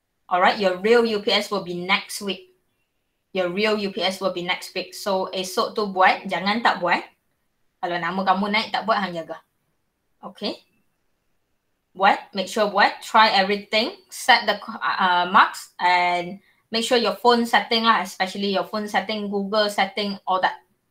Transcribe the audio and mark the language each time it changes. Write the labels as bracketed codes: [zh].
[en] Alright, your real UPS will be next week. Your real UPS will be next week. [ms] So esok tu buat, jangan tak buat. Kalau nama kamu naik tak buat, hang jaga. [en] Okay. Buat, make sure buat, try everything, set the marks and make sure your phone setting lah, especially your phone setting, Google setting, all that.